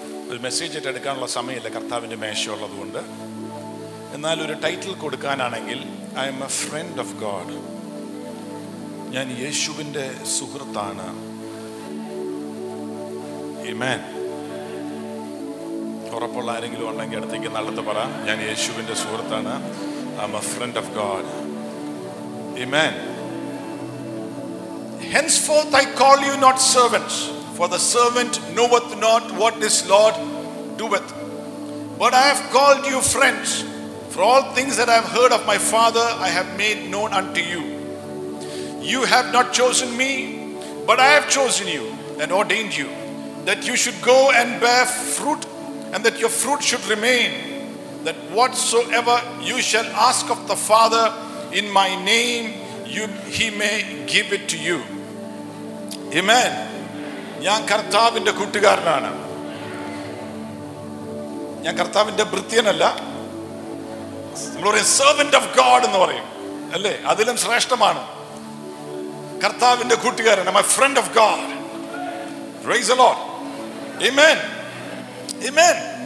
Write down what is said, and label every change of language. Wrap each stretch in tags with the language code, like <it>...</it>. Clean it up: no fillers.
<ml>ഒരു മെസ്സേജ് എടുക്കാനുള്ള സമയമില്ല, കർത്താവിൻ്റെ മേശയുള്ളതുകൊണ്ട്. എന്നാൽ ഒരു title കൊടുക്കാനാണെങ്കിൽ</ml> <en>I am a friend of God.</en> <ml>ഞാൻ യേശുവിൻ്റെ സുഹൃത്താണ്.</ml> <en>ആമേൻ.</en> <ml>ഉറപ്പുള്ള ആരെങ്കിലും ഉണ്ടെങ്കിൽ അടുത്തേക്ക് നടത്തു പറ, ഞാൻ യേശുവിൻ്റെ സുഹൃത്താണ്.</ml> <en>I am a friend of God. ആമേൻ. Henceforth I call you not servants, for the servant knoweth not what his lord doeth, but I have called you friends, for all things that I have heard of my father I have made known unto you. You have not chosen me, but I have chosen you and ordained you that you should go and bear fruit, and that your fruit should remain, that whatsoever you shall ask of the father in my name he may give it to you. Amen.</en> <ml>ഞാൻ കർത്താവിൻ്റെ കൂട്ടുകാരനാണ്, ഞാൻ കർത്താവിൻ്റെ ഭൃത്യനല്ല. നമ്മൾ പറയും</ml> <en>servant of God</en> <ml>എന്ന് പറയും അല്ലേ, അതിലും ശ്രേഷ്ഠമാണ്. കർത്താവിൻ്റെ കൂട്ടുകാരൻ,</ml> <en>My friend of God. Praise the lord. ആമേൻ. ആമേൻ.</en>